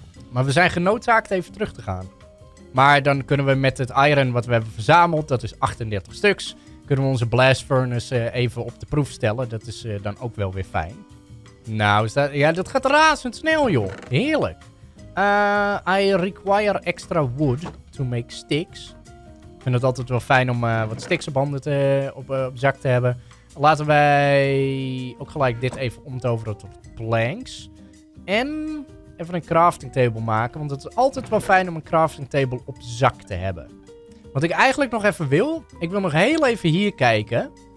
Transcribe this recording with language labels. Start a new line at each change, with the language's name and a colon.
Dutch: Maar we zijn genoodzaakt even terug te gaan. Maar dan kunnen we met het iron wat we hebben verzameld, dat is 38 stuks, kunnen we onze blast furnace even op de proef stellen. Dat is dan ook wel weer fijn. Nou, is dat, ja, dat gaat razendsnel, joh. Heerlijk.
English: I require extra wood to make sticks.
Dutch: Ik vind het altijd wel fijn om wat sticks op handen op zak te hebben. Laten wij ook gelijk dit even omtoveren tot planks. En even een crafting table maken. Want het is altijd wel fijn om een crafting table op zak te hebben. Wat ik eigenlijk nog even wil. Ik wil nog heel even hier kijken.